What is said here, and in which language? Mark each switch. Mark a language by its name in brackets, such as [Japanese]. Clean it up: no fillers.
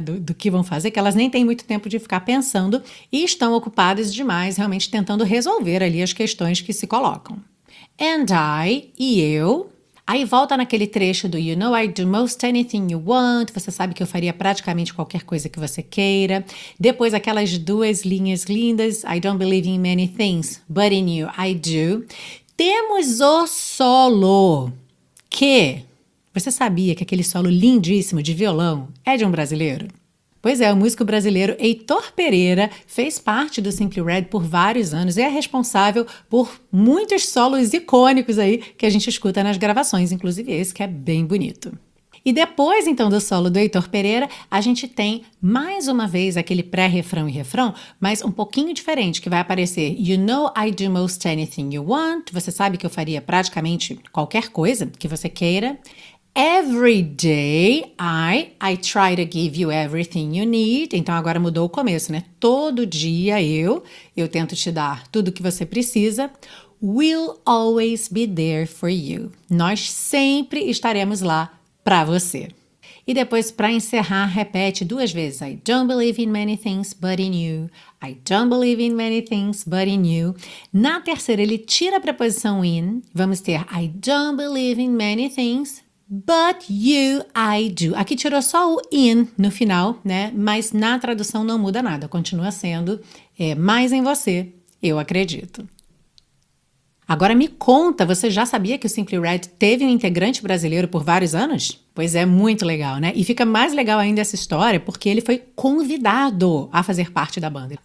[Portuguese] Do que vão fazer, que elas nem têm muito tempo de ficar pensando e estão ocupadas demais, realmente tentando resolver ali as questões que se colocam. [English] And I, [Portuguese] e eu... Aí volta naquele trecho do [English] You know I do most anything you want. [Portuguese] Você sabe que eu faria praticamente qualquer coisa que você queira. Depois aquelas duas linhas lindas. [English] I don't believe in many things, but in you I do. [Portuguese] Temos o solo. Que? Você sabia que aquele solo lindíssimo de violão é de um brasileiro? Pois é, o músico brasileiro Heitor Pereira fez parte do Simply Red por vários anos e é responsável por muitos solos icônicos aí que a gente escuta nas gravações, inclusive esse que é bem bonito. E depois, então, do solo do Heitor Pereira, a gente tem mais uma vez aquele pré-refrão e refrão, mas um pouquinho diferente, que vai aparecer [English] You know I do most anything you want, [Portuguese] você sabe que eu faria praticamente qualquer coisa que você queira. [English] Every day I try to give you everything you need. [Portuguese] Então agora mudou o começo, né? Todo dia eu tento te dar tudo que você precisa. [English] We'll always be there for you. [Portuguese] Nós sempre estaremos lá para você. E depois, para encerrar, repete duas vezes. [English] I don't believe in many things but in you. I don't believe in many things but in you. [Portuguese] Na terceira, ele tira a preposição in. Vamos ter [English] I don't believe in many things but you, I do. [Portuguese] Aqui tirou só o in no final, né? Mas na tradução não muda nada. Continua sendo mais em você, eu acredito. Agora me conta, você já sabia que o Simply Red teve um integrante brasileiro por vários anos? Pois é, muito legal, né? E fica mais legal ainda essa história porque ele foi convidado a fazer parte da banda.